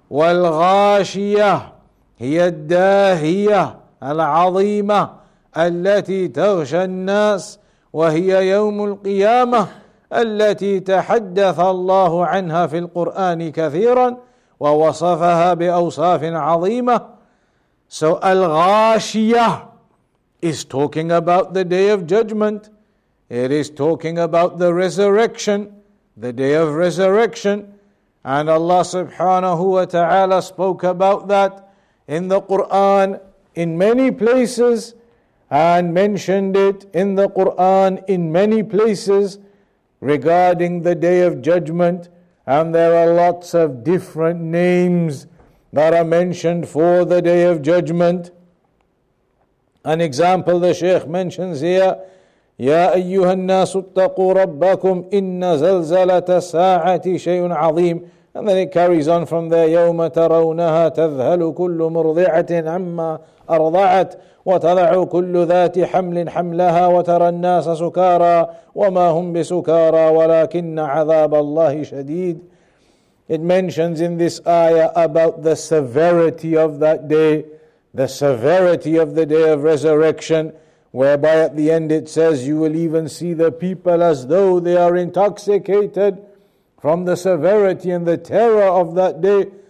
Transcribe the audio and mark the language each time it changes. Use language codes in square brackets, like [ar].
[ar] وَالْغَاشِيَةِ هِيَ الدَّاهِيَةِ الْعَظِيمَةِ التي تغشى الناس وهي يوم القيامة التي تحدث الله عنها في القرآن كثيرا ووصفها بأوصاف عظيمة. [en] So Al-Ghāshiyah is talking about the day of judgment. It is talking about the resurrection, the day of resurrection. And Allah subhanahu wa ta'ala spoke about that in the Quran in many places, and mentioned it in the Qur'an in many places regarding the Day of Judgment. And there are lots of different names that are mentioned for the Day of Judgment. An example the Shaykh mentions here, [ar] يَا أَيُّهَا النَّاسُ اتَّقُوا رَبَّكُمْ إِنَّ زَلْزَلَةَ السَّاعَةِ شَيْءٌ عَظِيمٌ. [en] And then it carries on from there, [ar] يَوْمَ تَرَوْنَهَا تَذْهَلُ كُلُّ مُرْضِعَةٍ عَمَّا أَرْضَعَتْ وتضع كل ذات حمل حملها وترى الناس سكارى وما هم بسكارى ولكن عذاب الله شديد. [en] It mentions in this ayah about the severity of that day, the severity of the day of resurrection, whereby at the end it says you will even see the people as though they are intoxicated from the severity and the terror of that day.